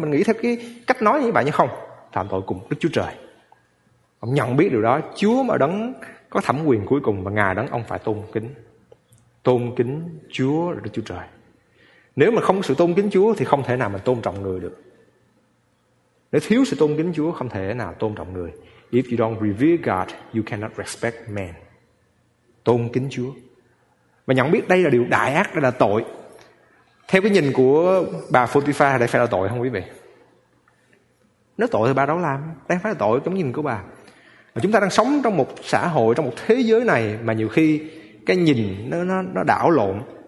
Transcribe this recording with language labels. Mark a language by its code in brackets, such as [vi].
[vi] Mình nghĩ theo cái cách nói như vậy nhưng không, phạm tội cùng Đức Chúa Trời. Ông nhận biết điều đó. Chúa mà đấng có thẩm quyền cuối cùng, và Ngài đấng ông phải tôn kính. Tôn kính Chúa là Đức Chúa Trời. Nếu mà không sự tôn kính Chúa thì không thể nào mà tôn trọng người được. Nếu thiếu sự tôn kính Chúa không thể nào tôn trọng người. [en] If you don't revere God, you cannot respect man. [vi] Tôn kính Chúa. Và nhận biết đây là điều đại ác, đây là tội. Theo cái nhìn của bà Potiphar, đây phải là tội không quý vị? Nếu tội thì bà đâu làm. Đây phải là tội trong nhìn của bà. Và chúng ta đang sống trong một xã hội, trong một thế giới này mà nhiều khi cái nhìn nó đảo lộn.